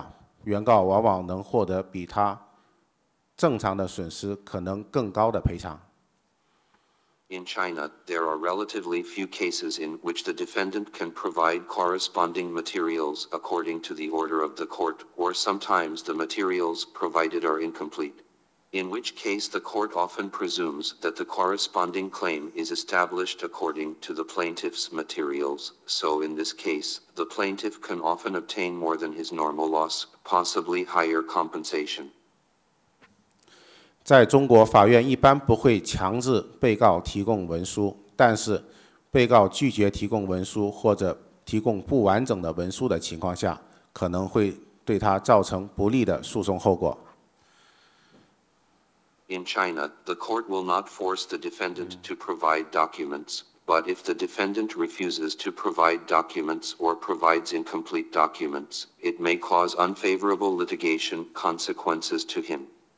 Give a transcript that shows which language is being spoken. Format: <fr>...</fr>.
<zh>在中国来讲，目前被告能够按照法庭的命令提供相应的资料的还是比较少的情形，或者有时候提供的资料并不完整。在这种情况下，法院往往会根据原告的材料推定相应的主张成立，所以在这种情况下，原告往往能获得比他</zh> <en>In China, there are relatively few cases in which the defendant can provide corresponding materials according to the order of the court, or sometimes the materials provided are incomplete. In which case, the court often presumes that the corresponding claim is established according to the plaintiff's materials. So, in this case, the plaintiff can often obtain more than his normal loss, possibly higher compensation.</en> <zh>在中国，法院一般不会强制被告提供文书，但是被告拒绝提供文书或者提供不完整的文书的情况下，可能会对他造成不利的诉讼后果。</zh> <en>In China, the court will not force the defendant to provide documents, but if the defendant refuses to provide documents or provides incomplete documents, it may cause unfavorable litigation consequences to him.</en>